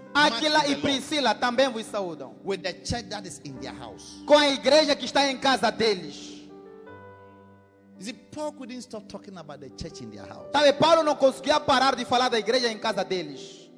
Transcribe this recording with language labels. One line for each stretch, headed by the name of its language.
Portuguese: Aquila e Priscila também vos saúdam.
English: With the church that is in their house.
Portuguese: Com a igreja que está em casa deles.
English: You see, Paul couldn't stop talking about the church in their house.
Portuguese: Sabe, Paulo não conseguia parar de falar da igreja em casa deles.